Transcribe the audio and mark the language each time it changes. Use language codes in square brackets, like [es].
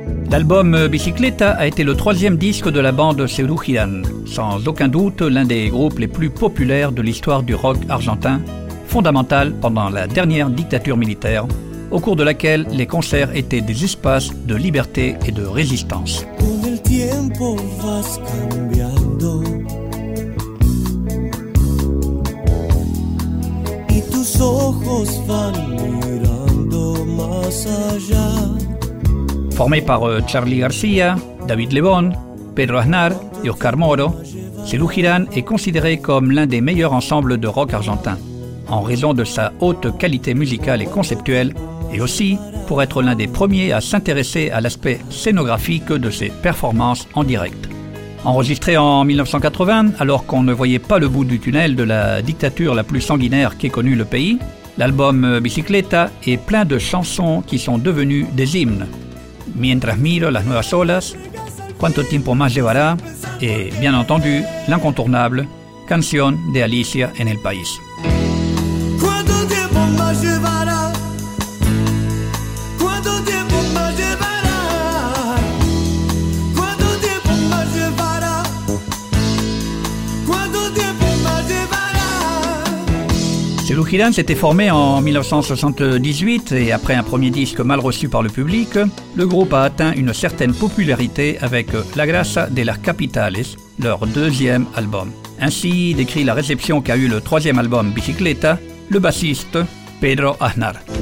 [fr] L'album Bicicleta a été le troisième disque de la bande Cerrujidan, sans aucun doute l'un des groupes les plus populaires de l'histoire du rock argentin, fondamental pendant la dernière dictature militaire, au cours de laquelle les concerts étaient des espaces de liberté et de résistance. [es] Con el tiempo vas cambiando, y tus ojos van mirando más allá. [fr] Formé par Charlie García, David Lebón, Pedro Aznar et Oscar Moro, Cerrujidan est considéré comme l'un des meilleurs ensembles de rock argentin, en raison de sa haute qualité musicale et conceptuelle, et aussi pour être l'un des premiers à s'intéresser à l'aspect scénographique de ses performances en direct. Enregistré en 1980, alors qu'on ne voyait pas le bout du tunnel de la dictature la plus sanguinaire qu'ait connue le pays, l'album Bicicleta est plein de chansons qui sont devenues des hymnes. [es] Mientras miro las nuevas olas, cuánto tiempo más llevará, [fr] et bien entendu, l'incontournable [es] Canción de Alicia en el País. Cuánto tiempo más llevará, cuánto tiempo más llevará, cuánto tiempo más llevará, cuánto tiempo más llevará. [fr] Cerrujidan s'était formé en 1978 et après un premier disque mal reçu par le public, le groupe a atteint une certaine popularité avec La Grasa de las Capitales, leur deuxième album. Ainsi décrit la réception qu'a eu le troisième album Bicicleta, le bassiste Pedro Aznar.